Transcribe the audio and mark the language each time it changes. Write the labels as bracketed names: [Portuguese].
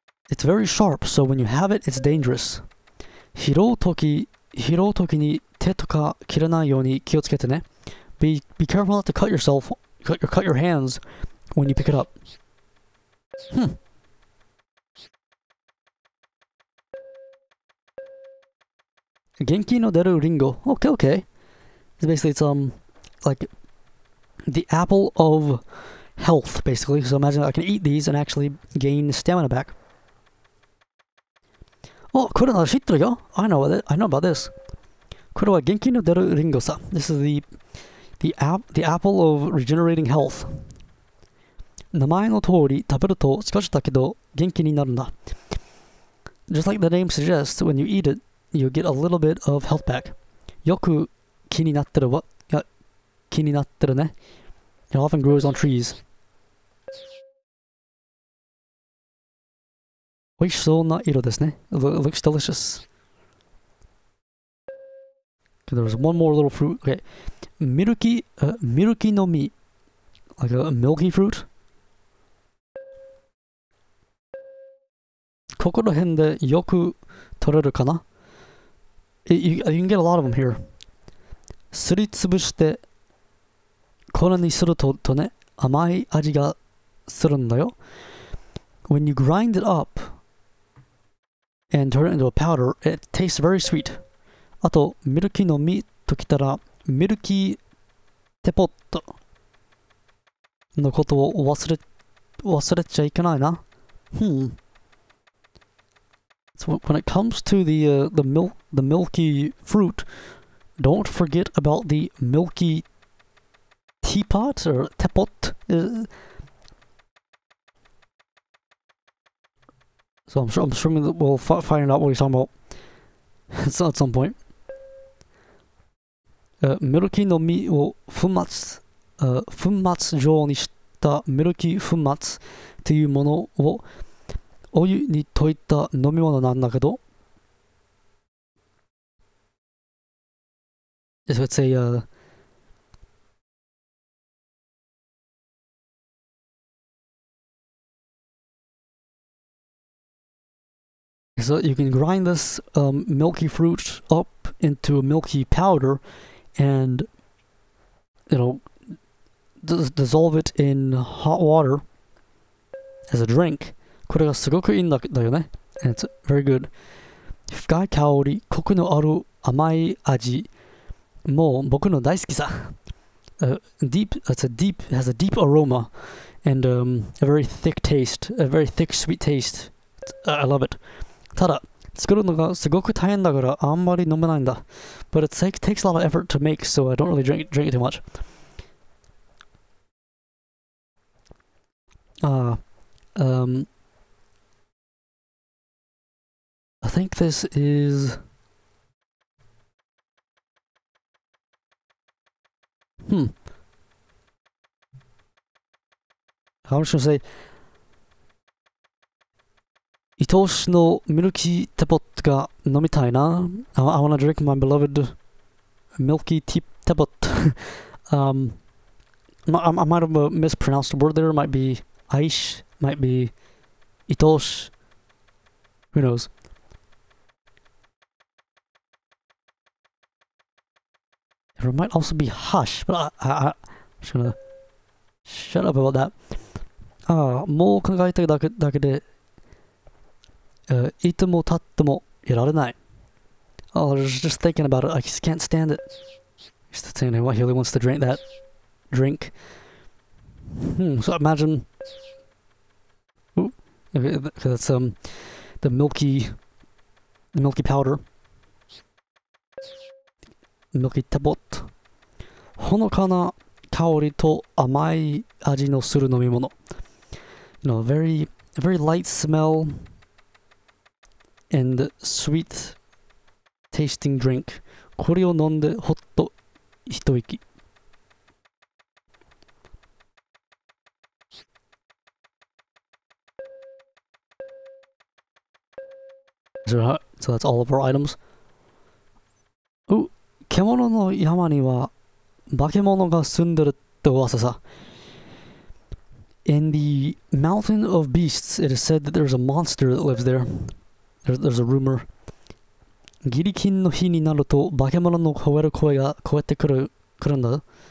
[English] It's very sharp, so when you have it, it's dangerous. [Japanese] 拾うときに手とか切れないように気をつけてね。 [English] Be careful not to cut yourself, cut your hands when you pick it up. [Japanese] Genki no deru ringo. [English] Okay. Basically, it's like the apple of health, basically. So imagine I can eat these and actually gain stamina back. [Japanese] Oh, kure na shitteru yo. [English] I know about this. [Japanese] Kure wa genki no deru ringo sa. [English] This is the apple of regenerating health. [Japanese] 名前の通り食べると少しだけど元気になるんだ。 [English] Just like the name suggests, when you eat it, you get a little bit of health back. [Japanese] よく気になってるわ。気になってるね。 [English] It often grows on trees. [Japanese] おいしそうな色ですね。 [English] It looks delicious. Okay, there's one more little fruit. Okay. [Japanese] ミルキの実。 [English] Like a milky fruit? [Japanese] ここら辺でよく取れるかな? [English] You can get a lot of them here. [Japanese] すりつぶしてこれにするとね、甘い味がするんだよ。 [English] When you grind it up and turn it into a powder, it tastes very sweet. [Japanese] あと、ミルキーの実ときたら、ミルキーテポットのことを忘れちゃいけないな。 [English] So when it comes to the milky fruit, don't forget about the milky teapot or teapot. So I'm assuming that we'll find out what he's talking about at some point. [Japanese] Milky no mi wo fumatsu, fumatsu jou ni shita milky fumatsu teiu mono wo. お湯に溶いた飲み物なんだけど、 [English] so it's a, so you can grind this milky fruit up into a milky powder and dissolve it in hot water as a drink. [Japanese] これがすごくいいんだよね。 [English] And it's very good. [Japanese] 深い香り、コクのある甘い味。もう僕の大好きさ。 [English] It has a deep aroma and a very thick taste, a very thick sweet taste. I love it. [Japanese] ただ、作るのがすごく大変だからあんまり飲めないんだ。 [English] But it takes a lot of effort to make, so I don't really drink it too much. I think this is... I'm just gonna say... [Japanese] Itoshi no milky teapot ga nomitai na. [English] I wanna drink my beloved milky teapot. I might have a mispronounced word there. Might be aish, might be itoshi. Who knows? It might also be hush, but I'm just gonna shut up about that. [Japanese] もう考えてるだけで、いてもたってもいられない。 [English] I was just thinking about it. I just can't stand it. He's just saying he only wants to drink that drink. So imagine... Okay, that's the milky powder. Milky teapot. [Japanese] ほのかな香りと甘い味のする飲み物。 [English] Very light smell and sweet tasting drink. [Japanese] これを飲んでほっと一息。 [English] So that's all of our items. Ooh. [Japanese] 獣の山には化け物が住んでるって噂さ。 [English] In the mountain of beasts, it is said that there's a monster that lives there. There's a rumor. [Japanese] ギリキンの日になると化け物の吠える声が聞こえてくるんだ。